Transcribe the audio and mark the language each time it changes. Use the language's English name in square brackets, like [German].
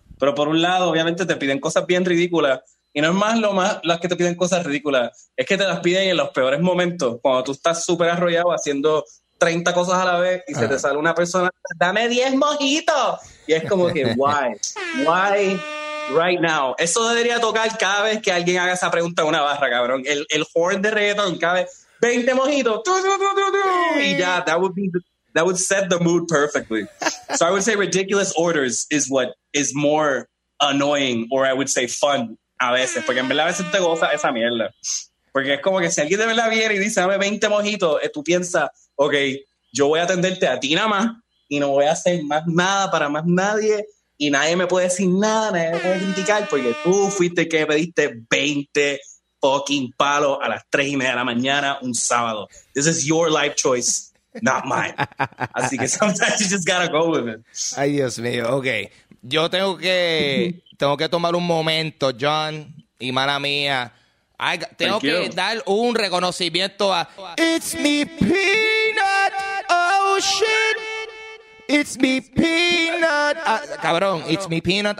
[Spanish] Pero por un lado, obviamente, te piden cosas bien ridículas. Y no es más lo más las que te piden cosas ridículas, es que te las piden en los peores momentos, cuando tú estás súper arrollado haciendo 30 cosas a la vez y se te sale una persona, dame 10 mojitos. Y es como que, [English] why? Why right now? [Spanish] Eso debería tocar cada vez que alguien haga esa pregunta en una barra, cabrón. El horn de reggaetón cada vez, 20 mojitos. Y ya, [English] that would set the mood perfectly. So I would say ridiculous orders is what is more annoying, or I would say fun. [Spanish] A veces, porque en verdad a veces te goza esa mierda. Porque es como que si alguien de verdad viene y dice, dame 20 mojitos, tú piensas, ok, yo voy a atenderte a ti nada más y no voy a hacer más nada para más nadie y nadie me puede decir nada, nadie me puede criticar porque tú fuiste el que pediste 20 fucking palos a las 3 y media de la mañana un sábado. [English] This is your life choice, not mine. [Spanish] Así que [English] sometimes you just gotta go with it. [Spanish] Ay, Dios mío, ok. Yo tengo que... Tengo que tomar un momento, John, y mala mía. Tengo que dar un reconocimiento a... [English] It's me peanut ocean. It's me peanut. Cabrón, it's me peanut.